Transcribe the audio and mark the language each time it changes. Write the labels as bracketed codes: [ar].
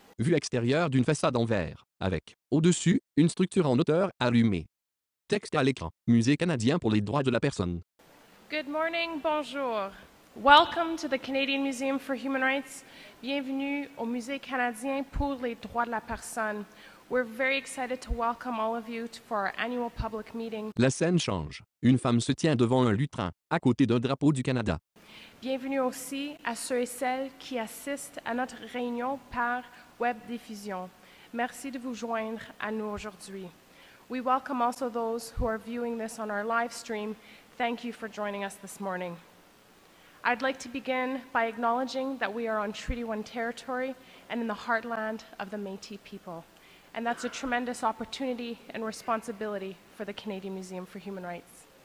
[fr] vue extérieure d'une façade en verre, avec, au-dessus, une structure en hauteur allumée. Texte à l'écran, Musée canadien pour les droits de la personne. [en] Good morning, [fr] bonjour. [en] Welcome to the Canadian Museum for Human Rights. [fr] Bienvenue au Musée canadien pour les droits de la personne. [en] We're very excited to welcome all of you for our annual public meeting. [fr] La scène change. Une femme se tient devant un lutrin, à côté d'un drapeau du Canada. Bienvenue aussi à ceux et celles qui assistent à notre réunion par web diffusion. Merci de vous joindre à nous aujourd'hui. [en] We welcome also those who are viewing this on our live stream. Thank you for joining us this morning. I'd like to begin by acknowledging that we are on Treaty 1 territory and in the heartland of the Métis people. And that's a tremendous opportunity and responsibility for the Canadian Museum for Human Rights.